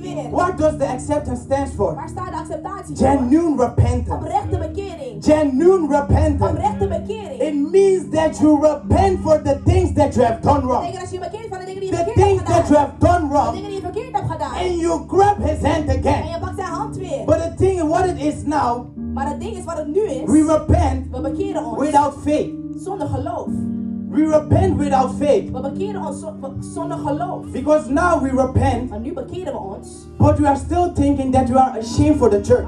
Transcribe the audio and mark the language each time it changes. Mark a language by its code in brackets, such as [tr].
[en] What does the acceptance stand for? Genuine repentance. Genuine repentance. It means that you repent for the things that you have done wrong. The things that you have done wrong. And you grab his hand again. But the thing is what it is now. [nl] Maar het ding is wat het nu is. [en] We repent. [nl] We bekeren ons [en] without faith. [nl] Zonder geloof. [en] We repent without faith. [nl] We bekeren ons zonder geloof. [en] Because now we repent. [nl] Maar nu bekeren we ons. [en] But we are still thinking that we are ashamed for the church.